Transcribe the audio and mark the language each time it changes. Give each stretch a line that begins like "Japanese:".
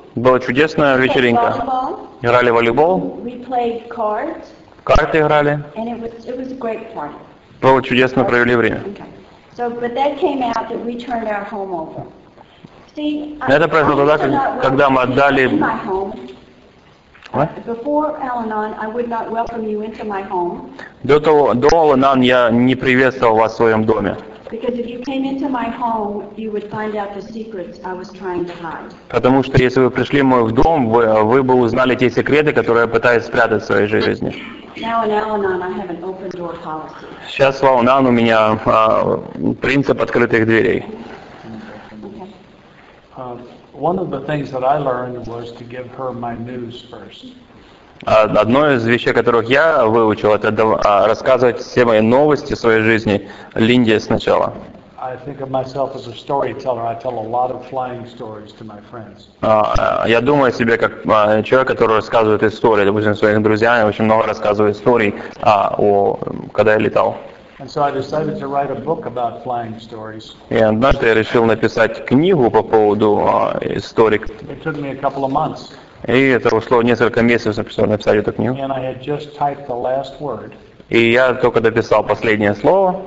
Russian: Была чудесная вечеринка. Играли в волейбол.
English: We played cards.
Russian: Карты играли.
English: And it was a great party.
Russian: Было чудесно, провели время.
English: Okay. So, but that came out that we turned our home over. See,
Russian: это произошло тогда, когда мы отдали...
English: What? Before Al-Anon, I would not welcome you into my home.
Russian: До Al-Anon я не приветствовал вас в своем доме.
English: Because if you came into my home, you would find out the secrets I was trying to hide.
Russian: Потому что если вы пришли в мой дом, вы бы узнали те секреты, которые я пытаюсь спрятать в своей жизни.
English: Now in Al-Anon, I have an open door policy.
Russian: Сейчас в Al-Anon у меня принцип открытых дверей.
English: One of the things that I learned was to give her my news first.
Russian: Одно из вещей, которых я выучил, это рассказывать все мои новости своей жизни Линде сначала.
English: I think of myself as a storyteller. I tell a lot of flying stories to my friends.
Russian: Я думаю о себе как человек, который рассказывает истории, допустим, своим друзьям. Я очень много рассказываю историй когда я летал.
English: And so I decided to write a book about flying stories.
Russian: И однажды я решил написать книгу по поводу историй.
English: It took me a couple of months.
Russian: И это ушло несколько месяцев, написать эту книгу.
English: And I had just typed the last word.
Russian: И я только дописал последнее слово.